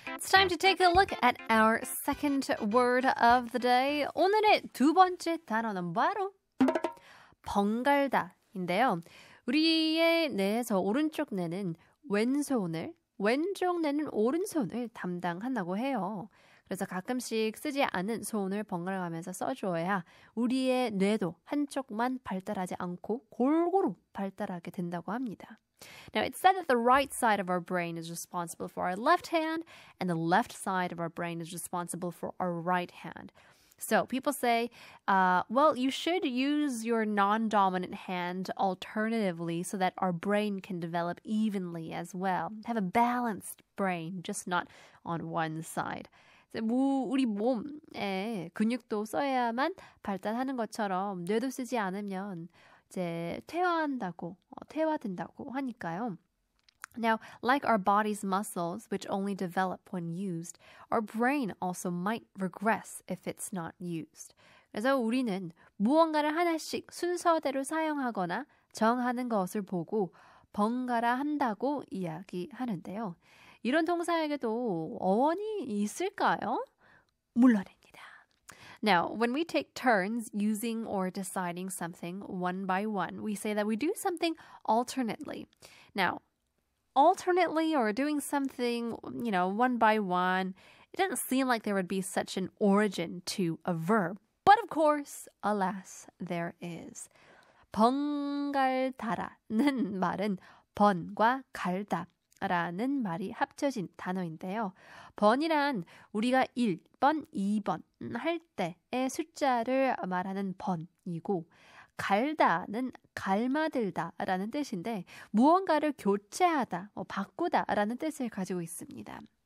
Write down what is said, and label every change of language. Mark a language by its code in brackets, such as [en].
[en] time to take a look at our second word of the day. [ko] 오늘의 두 번째 단어는 바로 번갈다인데요. 우리의 뇌에서 오른쪽 뇌는 왼손을, 왼쪽 뇌는 오른손을 담당한다고 해요. 그래서 가끔씩 쓰지 않은 손을 번갈아가면서 써줘야 우리의 뇌도 한쪽만 발달하지 않고 골고루 발달하게 된다고 합니다. [en] Now, it's said that the right side of our brain is responsible for our left hand and the left side of our brain is responsible for our right hand. So, people say, well, you should use your non-dominant hand alternatively so that our brain can develop evenly as well. Have a balanced brain, just not on one side. [ko] 우리 몸에 근육도 써야만 발달하는 것처럼 뇌도 쓰지 않으면 이제 퇴화한다고, 퇴화된다고 하니까요. [en] Now, like our body's muscles, which only develop when used, our brain also might regress if it's not used. [ko] 그래서 우리는 무언가를 하나씩 순서대로 사용하거나 정하는 것을 보고 번갈아 한다고 이야기하는데요. 이런 동사에게도 어원이 있을까요? 물론입니다. [en] Now, when we take turns using or deciding something one by one, we say that we do something alternately. Now, alternately or doing something, you know, one by one, it doesn't seem like there would be such an origin to a verb. But of course, alas, there is. [ko] 번갈다라는 말은 번과 갈다. 라는 말이 합쳐진 단어인데요. 번이란 우리가 1번, 2번 할 때의 숫자를 말하는 번이고 갈다는 갈마들다 라는 뜻인데 무언가를 교체하다, 바꾸다 라는 뜻을 가지고 있습니다.